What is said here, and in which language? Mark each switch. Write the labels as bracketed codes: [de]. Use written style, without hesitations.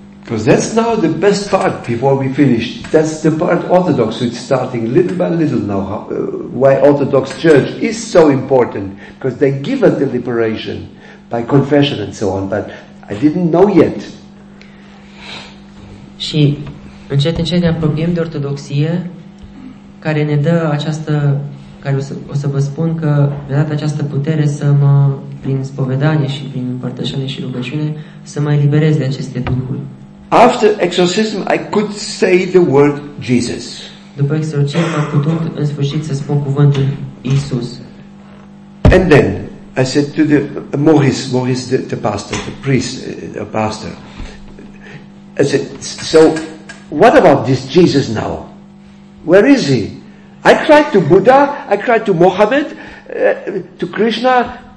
[en] Because that's now the best part before we finish. That's the part Orthodox is starting little by little now. Why Orthodox Church is so important, because they give us the liberation by confession and so on, but I didn't know yet. [ro] Și încet, încet ne apropiem de Ortodoxie, care ne dă această, care o să vă spun că mi-a dat această putere să mă, prin spovedanie și prin împărtășanie și rugăciune, să mă eliberez de aceste duhuri. [en] After exorcism, I could say the word Jesus. [ro] După exorcism, am putut în sfârșit să spun cuvântul Iisus. [en] And then I said to the Maurice, the pastor, the priest, the pastor. I said, so what about this Jesus now? Where is he? I cried to Buddha, I cried to Mohammed, to Krishna.